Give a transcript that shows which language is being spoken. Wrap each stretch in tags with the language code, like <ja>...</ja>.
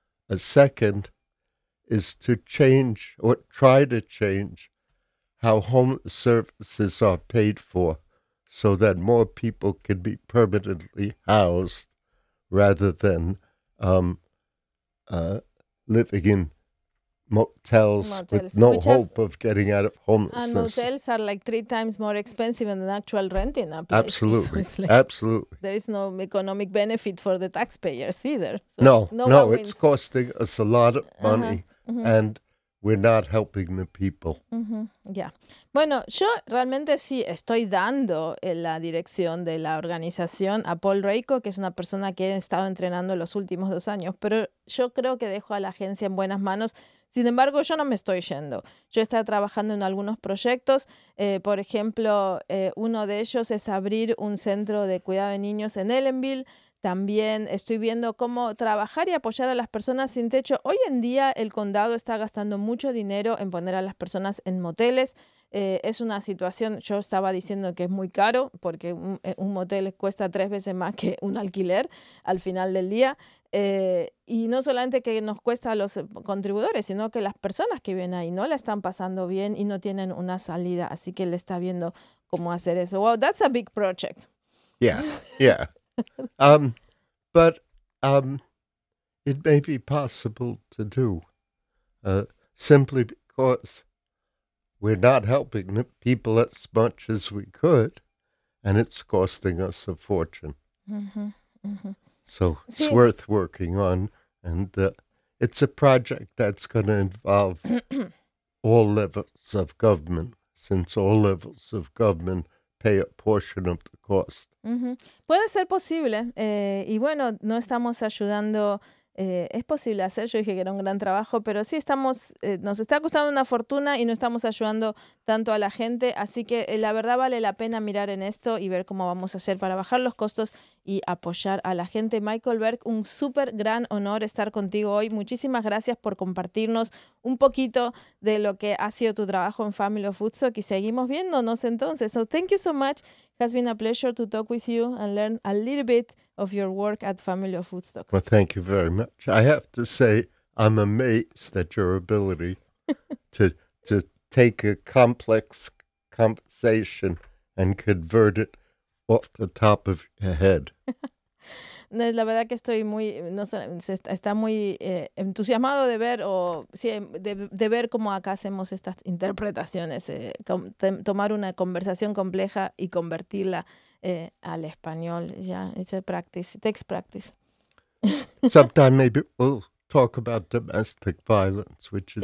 <en>A second is to change or try to change how home services are paid for so that more people can be permanently housed rather than living in motels with no hope of getting out of homelessness. And motels are like 3 times more expensive than actual renting a place. Absolutely. So like, absolutely. There is no economic benefit for the taxpayers either. So no, it's costing us a lot of money, and we're not helping the people. Uh-huh. Yeah.</en> <es>Bueno, yo realmente sí estoy dando la dirección de la organización a Paul Rakoff, que es una persona que he estado entrenando los últimos 2 años, pero yo creo que dejo a la agencia en buenas manos. Sin embargo, yo no me estoy yendo. Yo estaba trabajando en algunos proyectos. Por ejemplo, uno de ellos es abrir un centro de cuidado de niños en Ellenville. También estoy viendo cómo trabajar y apoyar a las personas sin techo. Hoy en día el condado está gastando mucho dinero en poner a las personas en moteles. Es una situación, yo estaba diciendo que es muy caro porque un motel cuesta 3 veces más que un alquiler al final del día. Y no solamente que nos cuesta a los contribuidores, sino que las personas que viven ahí no la están pasando bien y no tienen una salida. Así que él está viendo cómo hacer eso.</es> <en>Wow, that's a big project. Yeah, yeah. But it may be possible to do simply because we're not helping the people as much as we could, and it's costing us a fortune. Mm-hmm, mm-hmm. So it's worth working on, and it's a project that's going to involve all levels of government, since all levels of government pay a portion of the cost. Mm-hmm.</en> <es>Puede ser posible, y bueno, no estamos ayudando. Es posible hacer, yo dije que era un gran trabajo, pero sí estamos, nos está costando una fortuna y no estamos ayudando tanto a la gente, así que la verdad vale la pena mirar en esto y ver cómo vamos a hacer para bajar los costos y apoyar a la gente. Michael Berg, un súper gran honor estar contigo hoy. Muchísimas gracias por compartirnos un poquito de lo que ha sido tu trabajo en Family of Woodstock y seguimos viéndonos entonces.</es> <en>So thank you so much. It has been a pleasure to talk with you and learn a little bit of your work at Family of Woodstock. Well, thank you very much. I have to say, I'm amazed at your ability to take a complex conversation and convert it off the top of your head.</en> <es>La verdad que estoy muy, no sé, está muy entusiasmado de ver o sí, de ver cómo acá hacemos estas interpretaciones, tomar una conversación compleja y convertirla al español.</es> <en>Yeah, it's a practice, it takes practice. Sometime maybe we'll talk about domestic violence, which is</en>